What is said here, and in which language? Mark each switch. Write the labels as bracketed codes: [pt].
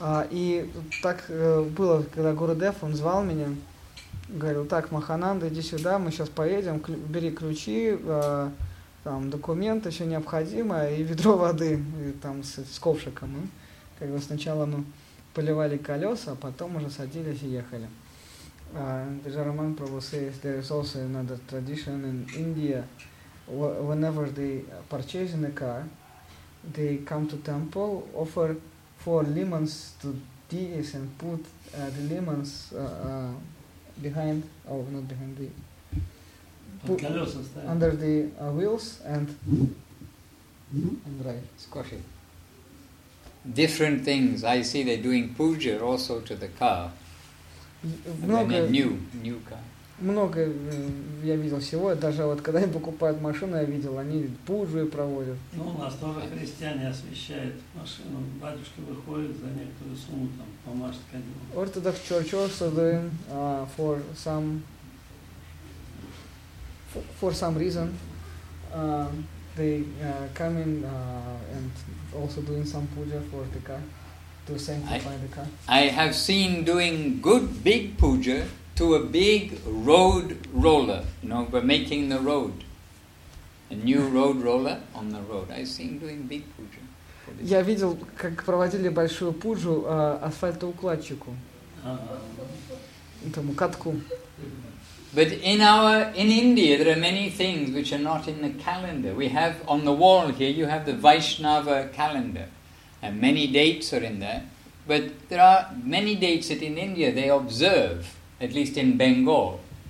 [ru] И так было, когда Гурудев, он звал меня, говорил, так, Махананда, иди сюда, мы сейчас поедем, бери ключи, там документ еще необходимое и ведро воды и там с ковшиком. И, как бы сначала мы поливали колеса, а потом уже садились и ехали. [en] Джараман Прабху says there is also another tradition in India. Whenever they purchase in a car, they come to temple, offer 4 lemons to deities and put the lemons behind, or not behind the Put under the wheels and drive. Squashy. Different things. I see they're doing puja also to the car. New car. [ru] Много я видел всего. Даже вот когда они покупают машину, я видел, они пуджу проводят. Ну, у нас тоже христиане освещают машину. Батюшки выходят за некоторую сумму, там, помажут кадилом. [en] Orthodox church also doing for some for some reason, they come in and also doing some puja for the car, to sanctify the car. I have seen doing good big puja to a big road roller. You know, we're making the road, a new road roller on the road. I've seen doing big puja. [ru] Я видел, как проводили большую пуджу асфальтоукладчику, этому катку. [en] But in India there are many things which are not in the calendar. We have on the wall here you have the Vaishnava calendar and many dates are in there. But there are many dates that in India they observe, at least in Bengal.